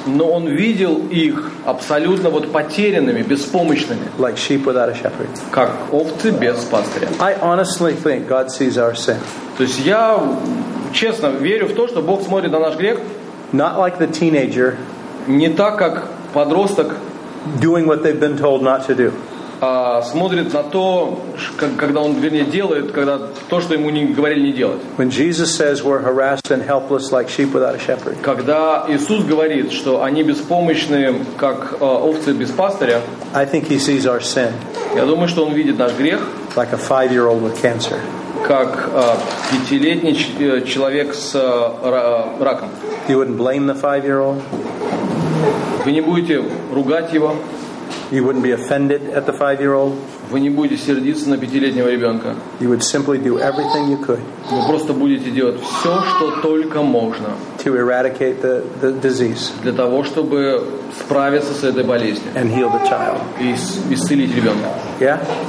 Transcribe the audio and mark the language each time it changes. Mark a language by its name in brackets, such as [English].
[Russian] но он видел их абсолютно вот потерянными, беспомощными, [English] like sheep without a shepherd, [Russian] как овцы без пастыря. [English] I honestly think God sees our sin. [Russian] То есть я честно верю в то, что Бог смотрит на наш грех, [English] not like the teenager, [Russian] не так как подросток, [English] doing what they've been told not to do. [Russian] Смотрит на то, когда он, вернее, делает, когда то, что ему не говорили не делать. [English] When Jesus says we're harassed and helpless like sheep without a shepherd. [Russian] Когда Иисус говорит, что они беспомощны, как овцы без пастыря. [English] I think he sees our sin. [Russian] Я думаю, что он видит наш грех. [English] Like a 5-year-old with cancer. [Russian] Как пятилетний человек с раком. [English] You wouldn't blame the 5-year-old. [Russian] Вы не будете ругать его. [English] You wouldn't be offended at the 5-year-old. [Russian] Вы не будете сердиться на пятилетнего ребенка. [English] You would simply do everything you could. [Russian] Вы просто будете делать все, что только можно. [English] To eradicate the disease. [Russian] Для того, чтобы справиться с этой болезнью. [English] And heal the child. [Russian] И исцелить ребенка. [English] Yeah?